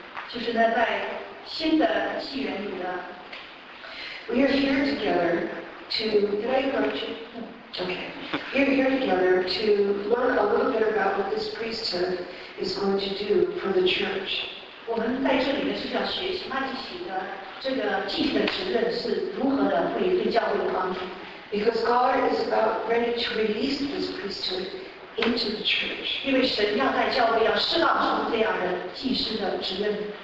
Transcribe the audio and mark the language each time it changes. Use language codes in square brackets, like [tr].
[zh] 就是呢，在新的纪元里呢。 [en] We are here together to. Did I interrupt you? Okay. We are here together to learn a little bit about what this priesthood is going to do for the church. [zh] 我们在这里呢是要学习麦基洗德这个祭司的职任是如何的会对教会有帮助。 [en] Because God is about ready to release this priesthood. Into the church. [zh] 因为神要在教会要释放出这样的祭司的职任。